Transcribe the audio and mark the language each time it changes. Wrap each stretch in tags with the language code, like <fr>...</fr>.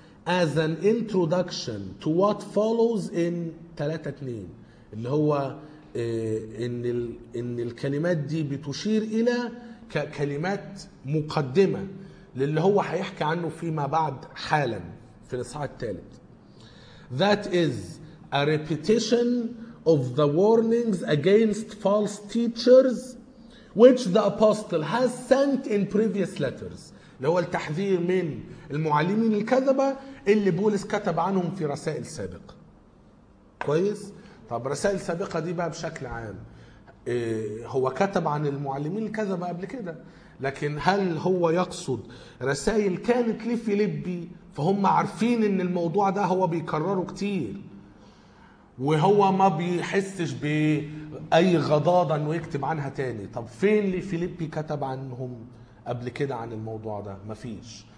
<en>as an introduction to what follows in 3:2</en> <ar>اللي هو ان الكلمات دي بتشير الى كلمات مقدمه للي هو هيحكي عنه فيما بعد حالا في الاصحاح الثالث.</ar> <en>That is a repetition of the warnings against false teachers which the apostle has sent in previous letters.</en> <ar>اللي هو التحذير من المعلمين الكذبة اللي بولس كتب عنهم في رسائل سابقة. كويس؟ طب رسائل سابقة دي بقى بشكل عام هو كتب عن المعلمين الكذبة قبل كده، لكن هل هو يقصد رسائل كانت لفيليبي فهم عارفين ان الموضوع ده هو بيكرره كتير وهو ما بيحسش بأي غضاضة انه يكتب عنها تاني؟ طب فين لفيليبي كتب عنهم قبل كده عن الموضوع ده؟ مفيش.</ar>